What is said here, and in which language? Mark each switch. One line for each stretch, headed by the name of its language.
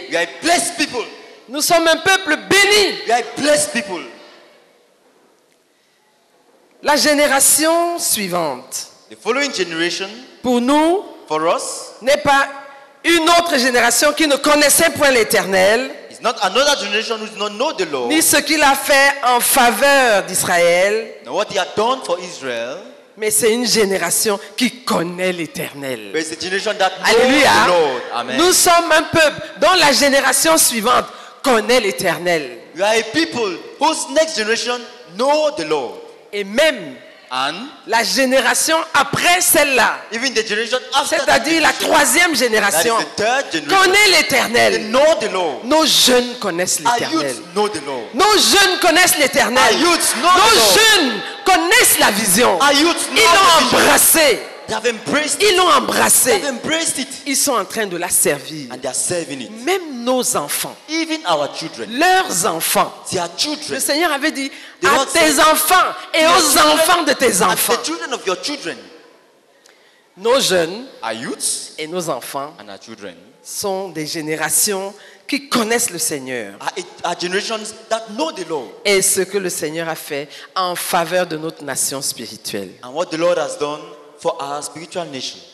English: We are blessed people.
French: Nous sommes un peuple béni.
English: We are blessed people.
French: La génération suivante,
English: the following generation,
French: pour nous,
English: for us,
French: n'est pas une autre génération qui ne connaissait point l'Éternel,
English: it's not another generation who does not know the Lord,
French: ni ce qu'il a fait en faveur d'Israël,
English: nor what he had done for Israel,
French: mais c'est une génération qui connaît l'Éternel.
English: But it's a generation that knows Alléluia. The Lord. Amen.
French: Nous sommes un peuple dont la génération suivante connaît l'Éternel.
English: We are a people whose next generation knows the Lord.
French: Et même
English: and
French: la génération après celle-là,
English: even the generation after,
French: c'est-à-dire la troisième génération,
English: that is the third generation,
French: connaît l'Éternel.
English: They know the Lord.
French: Nos jeunes connaissent l'Éternel.
English: Our youth know the Lord.
French: Nos jeunes connaissent l'Éternel.
English: Our youth know
French: nos
English: the Lord.
French: Jeunes connaissent la vision.
English: Our youth know
French: ils l'ont
English: the
French: embrassé.
English: They have embraced
French: ils l'ont embrassé.
English: They have embraced it.
French: Ils sont en train de la servir.
English: And they are serving it.
French: Même nos enfants.
English: Even our children.
French: Leurs enfants.
English: Their children.
French: Le Seigneur avait dit à tes enfants et aux
English: children,
French: enfants de tes enfants.
English: The children of your children.
French: Nos jeunes
English: our youths
French: et nos enfants
English: and our children
French: sont des générations qui connaissent le Seigneur.
English: Our generations that know the Lord.
French: Et ce que le Seigneur a fait en faveur de notre nation spirituelle.
English: And what the Lord has done for our spiritual nation.